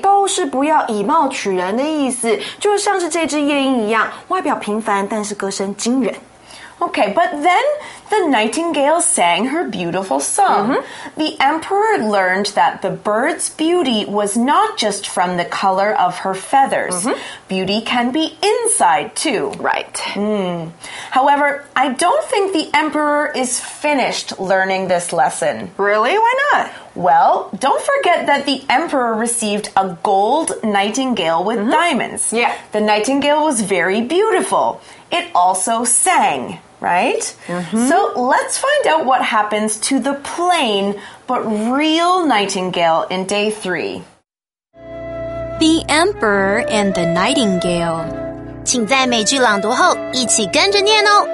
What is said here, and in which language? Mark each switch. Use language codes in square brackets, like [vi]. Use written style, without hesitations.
[zh] 都是不要以貌取人的意思就像是这只夜莺一样外表平凡但是歌声惊人。 [en] Okay, but then the nightingale sang her beautiful song. The emperor learned that the bird's beauty was not just from the color of her feathers. Beauty can be inside, too. Right. However, I don't think the emperor is finished learning this lesson. Really? Why not? Well, don't forget that the emperor received a gold nightingale with diamonds. Yeah. The nightingale was very beautiful. It also sang. Right? So let's find out what happens to the plain but real nightingale in day three. The Emperor and the Nightingale. [zh] 请在每句朗读后一起跟着念哦。